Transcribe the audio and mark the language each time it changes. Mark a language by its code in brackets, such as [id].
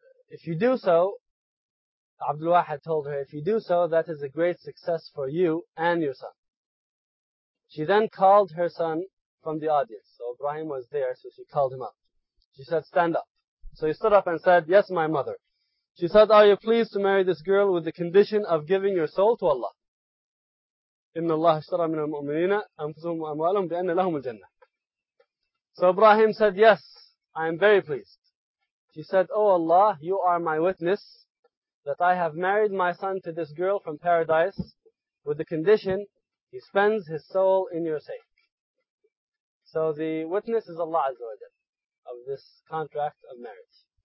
[en] If you do so, Abdul Wahid told her, if you do so, that is a great success for you and your son. She then called her son from the audience. So Ibrahim was there, so she called him up. She said, stand up. So he stood up and said, yes, my mother. She said, are you pleased to marry this girl with the condition of giving your soul to Allah? [ar] إِنَّ اللَّهَ اشْتَرَى مِنَ الْمُؤْمِنِينَ أَنفُسُهُمْ وَأَمْوَالُهُمْ بِأَنَّ لَهُمُ الْجَنَّةِ [en] So Ibrahim said, yes, I am very pleased. She said, oh Allah, you are my witness that I have married my son to this girl from paradise with the condition he spends his soul in your sake. So the witness is Allah Azza wa Jalla of this contract of marriage.